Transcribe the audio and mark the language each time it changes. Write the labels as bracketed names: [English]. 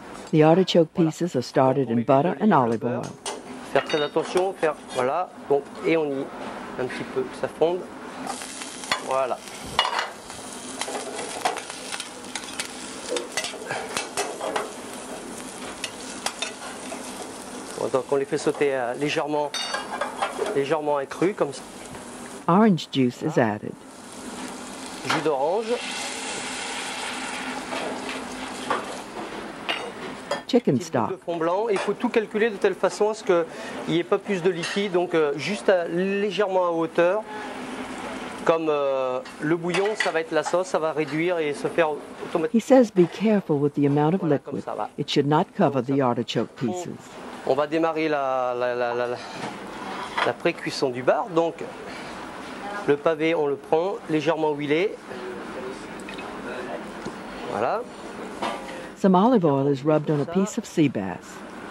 [English] The artichoke pieces are started in butter and olive oil. [French] Faire très attention, faire voilà, donc et on y un petit peu, ça fonde, voilà. Bon, donc on les fait sauter légèrement à cru comme ça. [English] Orange juice is added. [French] Jus d'orange. [English] Chicken stock. [French] De fond blanc. Il faut tout calculer de telle façon à ce qu'il n'y ait pas plus de liquide, donc juste légèrement à hauteur, comme le bouillon, ça va être la sauce, ça va réduire et se faire automatiquement. [English] He says be careful with the amount of liquid. It should not cover the artichoke pieces. [French] On va démarrer la pré-cuisson du bar. Donc le pavé, on le prend légèrement huilé. Voilà. [English] Some olive oil is rubbed on a piece of sea bass.